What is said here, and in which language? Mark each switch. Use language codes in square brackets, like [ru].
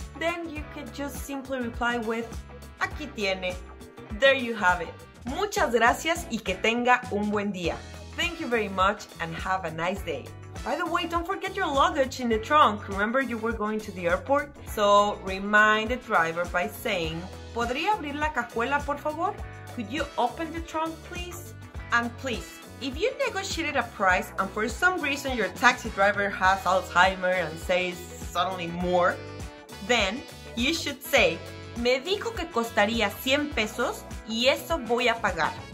[en] Then you can just simply reply with, [es] Aquí tiene. [en] There you have it. [es] Muchas gracias y que tenga un buen día. [en] Thank you very much and have a nice day. By the way, don't forget your luggage in the trunk. Remember you were going to the airport? So remind the driver by saying, [es] ¿Podría abrir la cajuela, por favor? [en] Could you open the trunk, please? And please, if you negotiated a price and for some reason your taxi driver has Alzheimer and says suddenly more, then you should say, [es] Me dijo que costaría 100 pesos y eso voy a pagar.